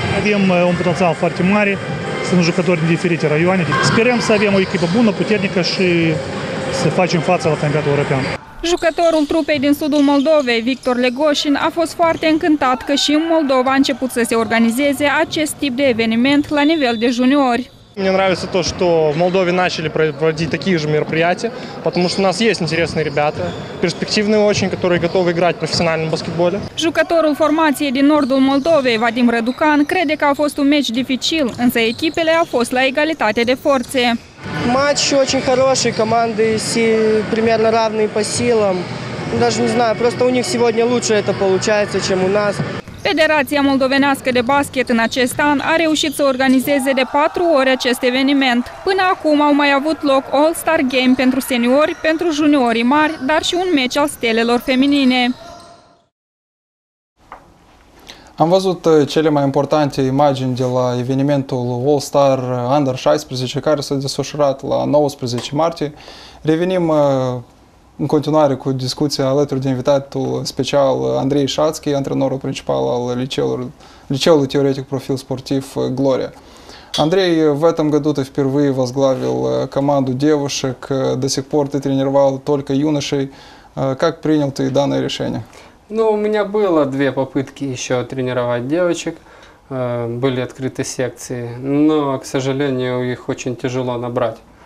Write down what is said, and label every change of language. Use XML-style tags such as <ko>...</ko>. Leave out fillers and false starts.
<ro>Avem un potențial foarte mare, sunt jucători din diferite raioane. Sperăm să avem o echipă bună, puternică și să facem față la campionatul european. Jucătorul trupei din sudul Moldovei, Victor Legoșin, a fost foarte încântat că și în Moldova a început să se organizeze acest tip de eveniment la nivel de juniori.</ro> <ru>Мне нравится то, что в Молдове начали проводить такие же мероприятия, потому что у нас есть интересные ребята, перспективные очень, которые готовы играть в профессиональном баскетболе.</ru> <ro>Jucătorul formației din nordul Moldovei, Vadim Răducan, crede că a fost un meci dificil, însă echipele au fost la egalitate de forțe.</ro> <ru>Матч очень хороший, команды примерно равные по силам. Даже не знаю, просто у них сегодня лучше это получается, чем у нас.</ru> <ro>Federația Moldovenească de Basket în acest an a reușit să organizeze de 4 ori acest eveniment. Până acum au mai avut loc All-Star Game pentru seniori, pentru juniorii mari, dar și un meci al stelelor feminine. Am văzut cele mai importante imagini de la evenimentul All-Star Under 16, care s-a desfășurat la 19 martie. Revenim în continuare cu discuția alături de invitatul special Andrei Șațchi, antrenorul principal al liceului teoretic profil sportiv Gloria.</ro> <ru>Andrei, в этом году ты впервые возглавил команду девушек. До сих пор ты тренировал только юношей. Как принял ты данное решение? Ну, у меня было две попытки еще тренировать девочек. были открыты секции, но, к сожалению, их очень тяжело набрать.</ru>